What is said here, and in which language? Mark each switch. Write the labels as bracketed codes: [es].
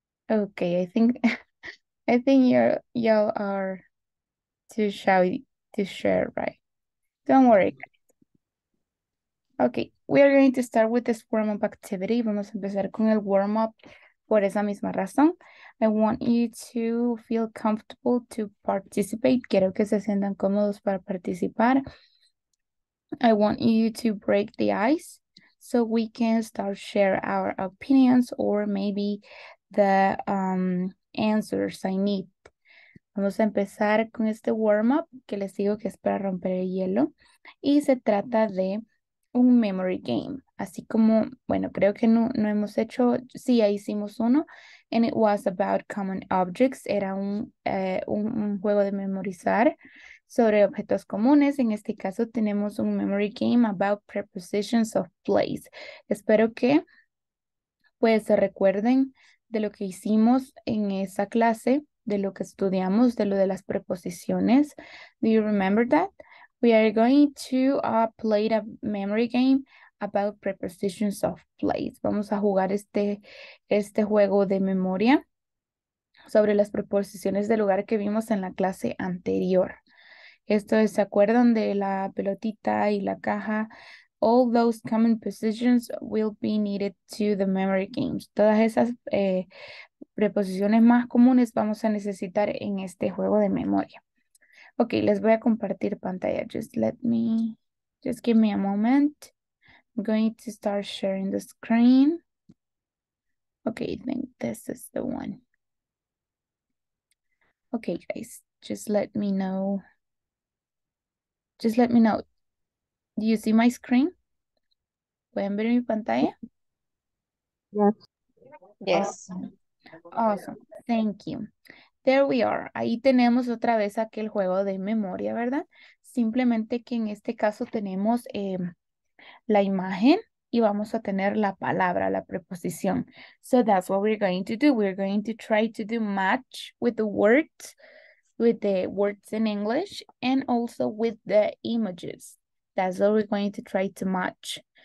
[en] Okay, I think y'all are too shy to share, right? Don't worry. Okay, we are going to start with this warm-up activity. [es] Vamos a empezar con el warm-up por esa misma razón. [en] I want you to feel comfortable to participate. [es] Quiero que se sientan cómodos para participar. [en] I want you to break the ice so we can start share our opinions or maybe the answers I need. [es] Vamos a empezar con este warm-up que les digo que es para romper el hielo. Y se trata de un memory game. Así como, bueno, creo que no hemos hecho, sí, ya hicimos uno. [en] And it was about common objects. [es] Era un juego de memorizar sobre objetos comunes. En este caso tenemos un [en] memory game about prepositions of place. [es] Espero que, pues, se recuerden de lo que hicimos en esa clase, de lo que estudiamos, de lo de las preposiciones. [en] Do you remember that? We are going to play a memory game about prepositions of place. [es] Vamos a jugar este juego de memoria sobre las preposiciones de lugar que vimos en la clase anterior. Esto es, ¿se acuerdan de la pelotita y la caja? [en] All those common positions will be needed to the memory games. [es] Todas esas preposiciones más comunes vamos a necesitar en este juego de memoria. Ok, les voy a compartir pantalla. [en] Just give me a moment. I'm going to start sharing the screen. Ok, I think this is the one. Ok, guys, just let me know. Do you see my screen? [es] ¿Pueden ver mi pantalla? [en] Yes. Yes. Awesome. Thank you. There we are. [es] Ahí tenemos otra vez aquel juego de memoria, ¿verdad? Simplemente que en este caso tenemos la imagen y vamos a tener la palabra, la preposición. [en] So that's what we're going to do. We're going to try to do match with the words, in English and also with the images. That's what we're going to try to match.